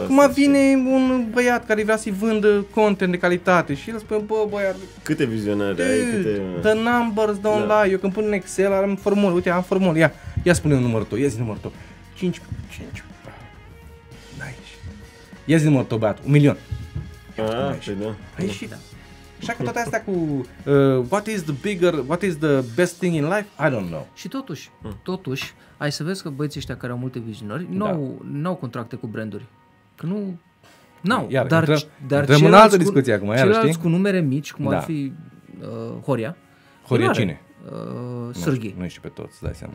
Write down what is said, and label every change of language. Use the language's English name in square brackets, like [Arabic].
[Romanian] acum vine un băiat care vrea să-i vândă content de calitate și el spune, bă, băiat, câte vizionări, [English] dude, [Romanian] ai, câte... [English] The numbers don't, [Romanian] da, lie, eu când pun în Excel am formulă, uite, am formulă, ia, ia spune un numărul tău, ia zi numărul tău, 5, 5, n-aici, ia zi numărul tău, băiat, 1 milion, ia, a, păi da, da. Așa că toate astea cu, [English] what is the bigger, what is the best thing in life, I don't know. [Romanian] Și totuși, totuși, ai să vezi că băieții ăștia care au multe vizionări n-au, da, n-au contracte cu branduri. Că nu... N-au. Iar, dar intrăm în altă discuție acum, iar, ceilalți, știi? Cu numere mici, cum, da, ar fi Horia. Horia cine? Sârghi. Nu știu pe toți, dai seama.